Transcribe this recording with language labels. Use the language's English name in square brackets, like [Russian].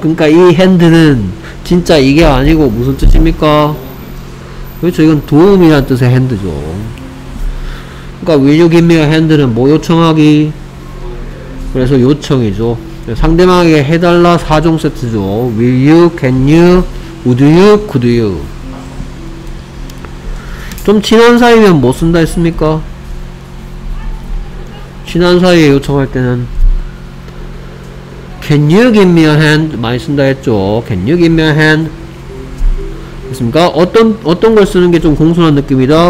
[Korean] 그러니까 이 hand는 진짜 이게 아니고 무슨 뜻입니까? 그렇죠. 이건 도움이란 뜻의 hand죠. 그러니까 [English] will you give me a hand [Korean] 는 뭐 요청하기? 그래서 요청이죠. 상대방에게 해달라 4종 세트죠. [English] will you, can you, would you, could you. [Korean] 좀 친한 사이면 뭐 쓴다 했습니까? 친한 사이에 요청할 때는 [English] Can you give me a hand? [Korean] 많이 쓴다 했죠. [English] Can you give me a hand? [Korean] 됐습니까? 어떤 걸 쓰는 게 좀 공손한 느낌이다.